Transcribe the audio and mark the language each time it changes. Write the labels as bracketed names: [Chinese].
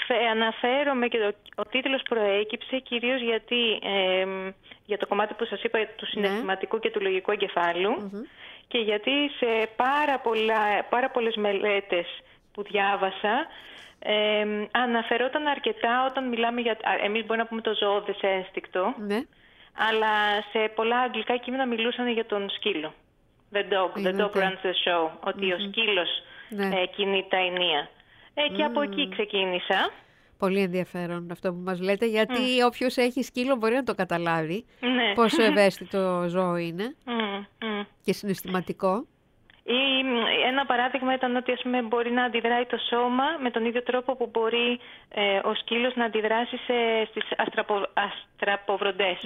[Greek] Αναφέρομαι και ο τίτλος προέκυψε κυρίως γιατί για το κομμάτι που σας είπα του συναισθηματικού και του λογικού εγκεφάλου και γιατί σε πάρα πολλές μελέτες που διάβασα αναφερόταν αρκετά όταν μιλάμε για... Εμείς μπορούμε να πούμε το ζώδες ένστικτο, αλλά σε πολλά αγγλικά κείμενα μιλούσαν για τον σκύλο. [English] The dog, the dog runs the show, [Greek] ότι ο σκύλος κινεί τα ηνία. Και από εκεί ξεκίνησα. Πολύ ενδιαφέρον αυτό που μας λέτε, γιατί όποιος έχει σκύλο μπορεί να το καταλάβει πόσο ευαίσθητο ζώο είναι και συναισθηματικό. Ένα παράδειγμα ήταν ότι ας πούμε, μπορεί να αντιδράει το σώμα με τον ίδιο τρόπο που μπορεί ο σκύλος να αντιδράσει στις αστραποβροντές.